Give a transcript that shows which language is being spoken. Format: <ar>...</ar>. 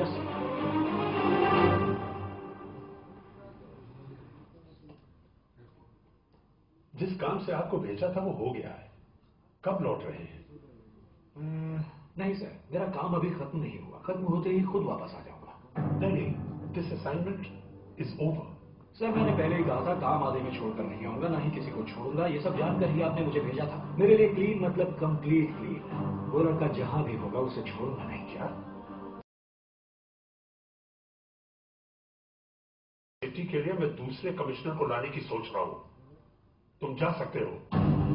<hi>Yes sir. जिस काम से आपको भेजा था वो हो गया है, कब लौट रहे हैं? नहीं सर मेरा काम अभी खत्म नहीं हुआ, खत्म होते ही खुद वापस आ जाऊंगा।</hi> <en>This assignment is over.</en> <hi>Sir मैंने पहले ही कहा था काम आधे में छोड़कर नहीं आऊंगा, ना ही किसी को छोड़ूंगा। ये सब जानकर ही आपने मुझे भेजा था। मेरे लिए क्लीन मतलब कंप्लीट क्लीन। वो लड़का जहां भी होगा उसे छोड़ूंगा नहीं। क्या बेटी के लिए मैं दूसरे कमिश्नर को लाने की सोच रहा हूं, तुम जा सकते हो।</hi>